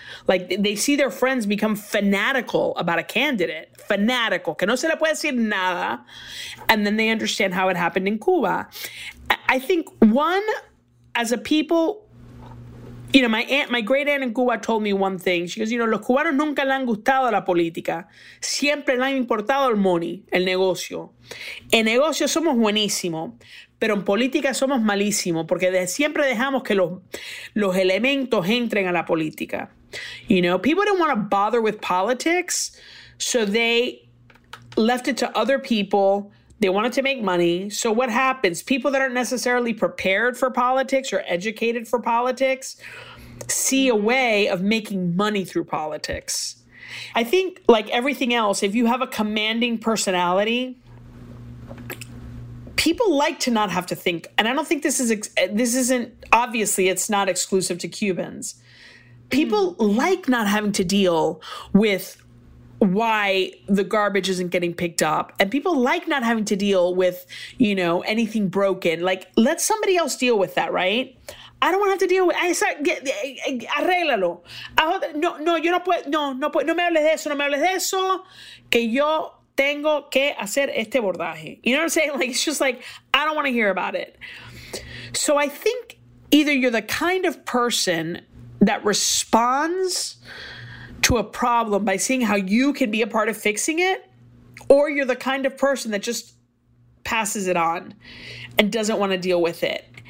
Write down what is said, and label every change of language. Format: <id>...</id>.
<en>Like, they see their friends become fanatical about a candidate, fanatical,</en> <es>que no se le puede decir nada,</es> <en>and then they understand how it happened in Cuba. I think, one, as a people, you know, my great aunt in Cuba told me one thing. She goes, you know,</en> <es>los cubanos nunca le han gustado la política. Siempre le han importado el money, el negocio. En negocio somos buenísimo, pero en política somos malísimo, porque siempre dejamos que los elementos entren a la política.</es> <en>You know, people didn't want to bother with politics, so they left it to other people. They wanted to make money. So what happens? People that aren't necessarily prepared for politics or educated for politics see a way of making money through politics. I think, like everything else, if you have a commanding personality, people like to not have to think. And I don't think this isn't, obviously, it's not exclusive to Cubans. People like not having to deal with why the garbage isn't getting picked up. And people like not having to deal with, you know, anything broken. Like, let somebody else deal with that, right? I don't want to have to deal with it.</en> <es>Arreglalo. No me hables de eso, no me hables de eso. Que yo tengo que hacer este bordaje.</es> <en>You know what I'm saying? Like, it's just like, I don't want to hear about it. So I think either you're the kind of person that responds to a problem by seeing how you can be a part of fixing it, or you're the kind of person that just passes it on and doesn't want to deal with it.</en>